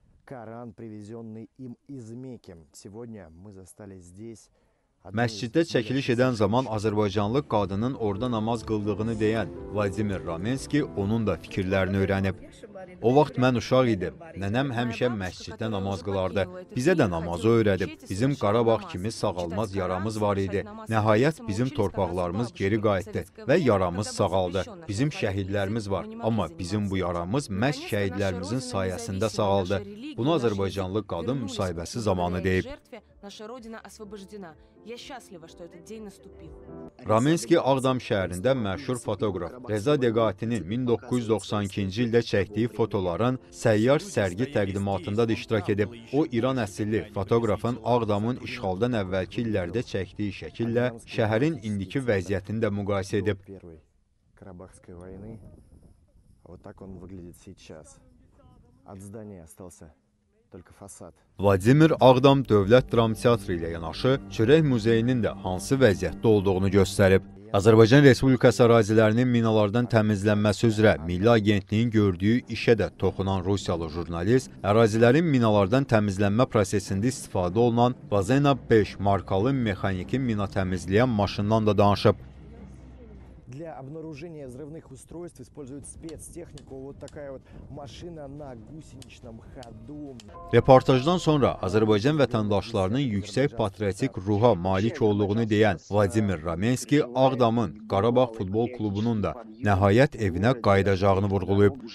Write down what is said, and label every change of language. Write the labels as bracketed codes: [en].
[ru] Koran привезенный им из Мекки. Сегодня мы застались здесь. [az] Məsciddə çəkiliş edən zaman Azərbaycanlı qadının orada namaz qıldığını deyən Vladimir Ramenski onun da fikirlərini öyrənib. O vaxt mən uşaq idim. Nənəm həmişə məsciddə namaz qılardı. Bizə də namazı öyrədib. Bizim Qarabağ kimi sağalmaz yaramız var idi. Nəhayət bizim torpaqlarımız geri qayıtdı və yaramız sağaldı. Bizim şəhidlərimiz var, amma bizim bu yaramız məhz şəhidlərimizin sayəsində sağaldı. Bunu Azərbaycanlı qadın müsahibəsi zamanı deyib. [ru] Наша родина освобождена. Я счастлива, что этот день наступил. [az] Ramenski Ağdam şəhərində məşhur fotoqraf Reza Degatinin 1992-ci ildə çəkdiyi fotoların səyyar sərgi təqdimatında da iştirak edib. O, İran əsilli fotoqrafın Ağdamın işğaldan əvvəlki illərdə çəkdiyi şəkillə şəhərin indiki vəziyyətini də müqayisə edib. [ru] Qarabağskaya vayni. Вот так он выглядит сейчас. От здания остался только фасад. [az] Vladimir Ağdam Dövlət Dram Teatrı ilə yanaşı Çörək Muzeyinin də hansı vəziyyətdə olduğunu göstərib. Azərbaycan Respublikası ərazilərinin minalardan təmizlənməsi üzrə Milli Agentliyin gördüyü işə də toxunan rusiyalı jurnalist ərazilərin minalardan təmizlənmə prosesində istifadə olunan Bazena 5 markalı mexaniki mina təmizləyən maşından da danışıb. [ru] Для обнаружения взрывных устройств используют спецтехнику. Вот такая вот машина на гусеничном ходу. [az] Reportajdan sonra Azərbaycan vətəndaşlarının yüksək patriotik ruha malik olduğunu deyən Vladimir Ramenski Ağdamın Qarabağ futbol klubunun da nəhayət evinə qayıdacağını vurğulayıb.